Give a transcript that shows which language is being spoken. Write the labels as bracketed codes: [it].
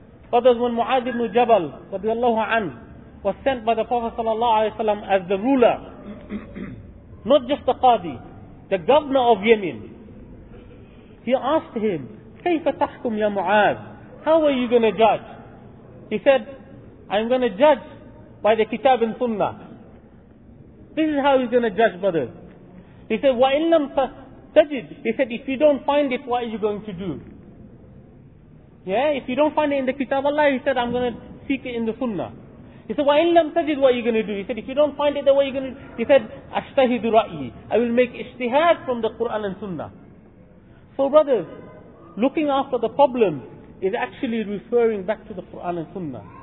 [en] Brothers, when Mu'adh ibn Jabal radiallahu anhu was sent by the Prophet sallallahu alayhi wa sallam as the ruler, not just the qadi, the governor of Yemen, he asked him, [ar] كَيْفَ تَحْكُمْ يَا مُعَاذ؟ [en] How are you going to judge? He said, I'm going to judge by the Kitab and Sunnah. This is how he's going to judge, brothers. [ar] He said, وَإِن لَمْ تَجِدْ. [en] He said, if you don't find it, what are you going to do? Yeah, if you don't find it in the Kitab Allah, he said, I'm going to seek it in the Sunnah. He said, [ar] وَإِن لَمْ تَجِدْ, [en] what are you going to do? He said, if you don't find it, then what are you going to do? He said, [ar] أَشْتَهِدُ رَأْيِي. [en] I will make ijtihad from the Quran and Sunnah. So brothers, looking after the problem is actually referring back to the Quran and Sunnah.